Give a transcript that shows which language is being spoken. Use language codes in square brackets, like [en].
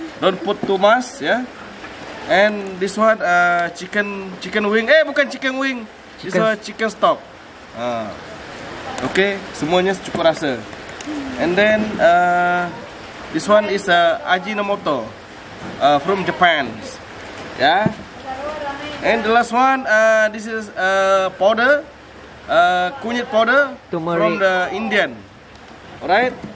[en] Don't put too much, ya. Yeah. And this one chicken wing. [id] Bukan [en] chicken wing. Chicken. This one chicken stock. [id] Okay, semuanya cukup rasa. [en] And then this one is Ajinomoto from Japan. Ya. Yeah. And the last one this is powder kunyit powder turmeric from the Indian. Alright.